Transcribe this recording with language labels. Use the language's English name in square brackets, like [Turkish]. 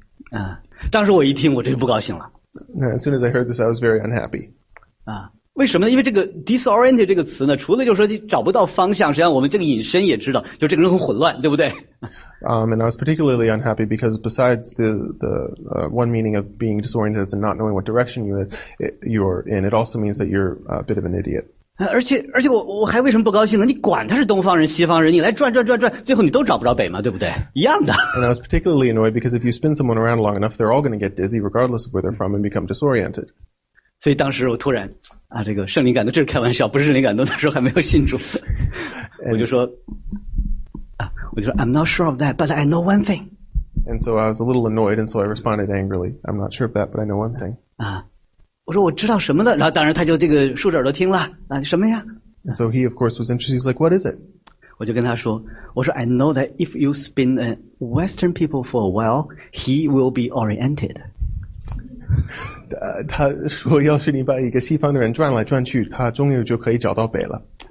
[Chinese] 啊，当时我一听，我这就不高兴了。 [English] As soon as I heard this, I was very unhappy. [Chinese] 啊，为什么呢？因为这个 disoriented 这个词呢，除了就是说你找不到方向，实际上我们这个引申也知道，就这个人很混乱，对不对？ [English] And I was particularly unhappy because besides the one meaning of being disoriented and not knowing what direction you're in, it also means that you're a bit of an idiot. [Chinese] 而且我还为什么不高兴呢？你管他是东方人西方人，你来转转转转，最后你都找不着北嘛，对不对？一样的。 [English] And I was particularly annoyed because if you spin someone around long enough, they're all going to get dizzy regardless of where they're from and become disoriented. [Chinese] 所以当时我突然啊，这个圣灵感动，这是开玩笑，不是圣灵感动，那时候还没有信主，我就说。我就说 [English] I'm not sure of that, but I know one thing. And so I was a little annoyed, and so I responded angrily. I'm not sure of that, but I know one thing. [Chinese] 啊，我说我知道什么了，然后当然他就这个竖着耳朵听了，啊，什么呀？ [English] And so he of course was interested. He's like, what is it? [Chinese] 我就跟他说，我说 [English] I know that if you spin a Western people for a while, he will be oriented. [Chinese] 他说要是你把一个西方的人转来转去，他终于就可以找到北了。